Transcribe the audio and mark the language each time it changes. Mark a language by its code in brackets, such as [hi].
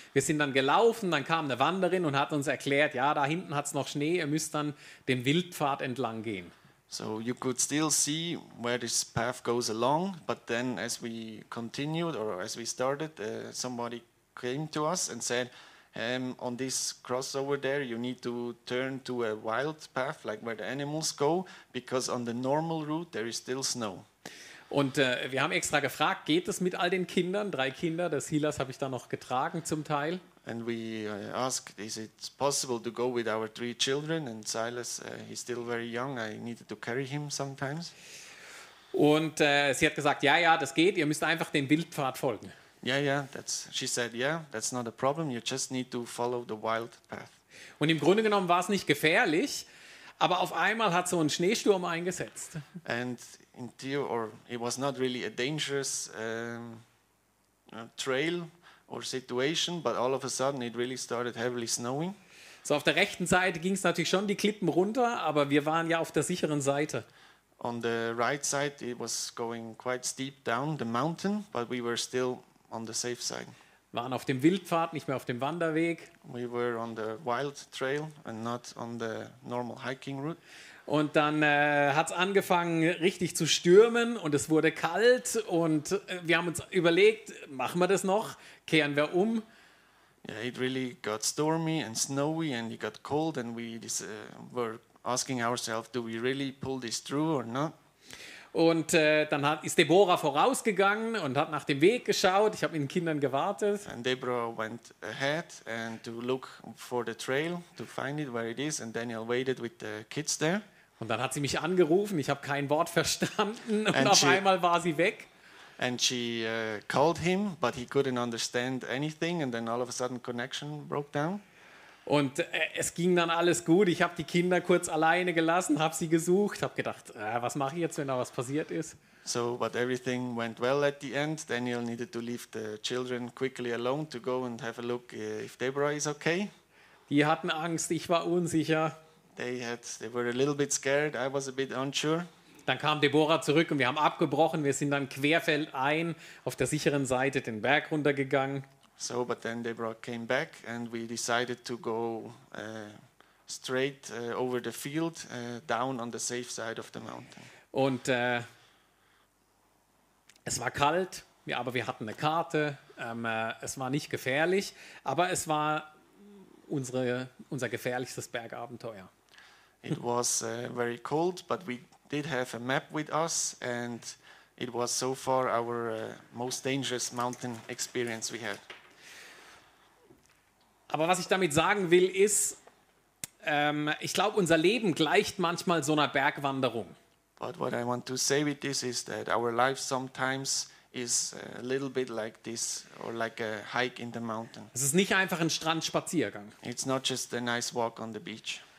[de] Wir sind dann gelaufen, dann kam eine Wanderin und hat uns erklärt, ja, da hinten hat's noch Schnee, ihr müsst dann den Wildpfad entlang gehen. [en] So you could still see where this path goes along, but then as we continued or as we started, somebody came to us and said, on this crossover there, you need to turn to a wild path, like where the animals go, because on the normal route there is still snow. [de] Und wir haben extra gefragt, geht es mit all den Kindern, drei Kinder, das Hilas habe ich da noch getragen zum Teil. [en] And we asked, is it possible to go with our three children? And Silas, he's still very young. I needed to carry him sometimes. [de] Und sie hat gesagt, ja, das geht. Ihr müsst einfach den Wildpfad folgen. [en] That's not a problem. You just need to follow the wild path. [de] Und im Grunde genommen war es nicht gefährlich, aber auf einmal hat so ein Schneesturm eingesetzt. [en] And in theory, or it was not really a dangerous trail. Or situation, but all of a sudden it really started heavily snowing. [de] So auf der rechten Seite ging es natürlich schon die Klippen runter, aber wir waren ja auf der sicheren Seite. [en] On the right side it was going quite steep down the mountain, but we were still on the safe side. [de] Waren auf dem Wildpfad, nicht mehr auf dem Wanderweg. [en] We were on the wild trail and not on the normal hiking route. [de] Und dann hat's angefangen richtig zu stürmen und es wurde kalt und wir haben uns überlegt, machen wir das noch, kehren wir um? [en] Yeah, it really got stormy and snowy and it got cold and we were asking ourselves, do we really pull this through or not? [de] Und dann ist Deborah vorausgegangen und hat nach dem Weg geschaut. Ich habe mit den Kindern gewartet. [en] And Deborah went ahead and to look for the trail to find it where it is. And Daniel waited with the kids there. [de] Und dann hat sie mich angerufen. Ich habe kein Wort verstanden und and auf she, einmal war sie weg. [en] And she called him, but he couldn't understand anything. And then all of a sudden connection broke down. [de] Und es ging dann alles gut. Ich habe die Kinder kurz alleine gelassen, habe sie gesucht, habe gedacht, was mache ich jetzt, wenn da was passiert ist? [en] So, but everything went well at the end. Daniel needed to leave the children quickly alone to go and have a look if Deborah is okay. [de] Die hatten Angst, ich war unsicher. [en] They were a little bit scared, I was a bit unsure. [de] Dann kam Deborah zurück und wir haben abgebrochen. Wir sind dann querfeldein auf der sicheren Seite den Berg runtergegangen. [en] So, but then Deborah came back and we decided to go straight over the field down on the safe side of the mountain. [de] Und es war kalt, ja, aber wir hatten eine Karte. Es war nicht gefährlich, aber es war unser gefährlichstes Bergabenteuer. [en] It was very cold, but we did have a map with us and it was so far our most dangerous mountain experience we had. [de] Aber was ich damit sagen will, ist, ich glaube, unser Leben gleicht manchmal so einer Bergwanderung. [en] But what I want to say with this is that our life sometimes is a little bit like this or like a hike in the mountain. [de] Es ist nicht einfach ein Strandspaziergang. [en] It's not just a nice walk on the beach.